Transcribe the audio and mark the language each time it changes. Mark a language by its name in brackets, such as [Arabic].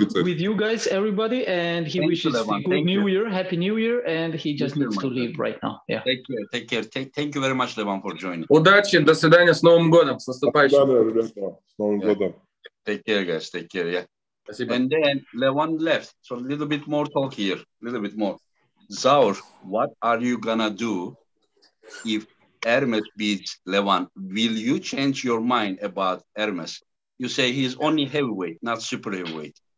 [English] With you guys, everybody, and he wishes a good new year, happy new year, and he just needs to leave right now. Yeah. Take care. Thank you very much, Levan, for joining. [Russian] Удачи, до свидания, с Новым годом, с наступающим. С Новым годом. [English] Take care, guys. Take care. Yeah. And then Levan left, so a little bit more talk here, a little bit more. Zaur, what are you gonna do if Ermes beats Levan? Will you change your mind about Ermes? You say he's only heavyweight, not super heavyweight.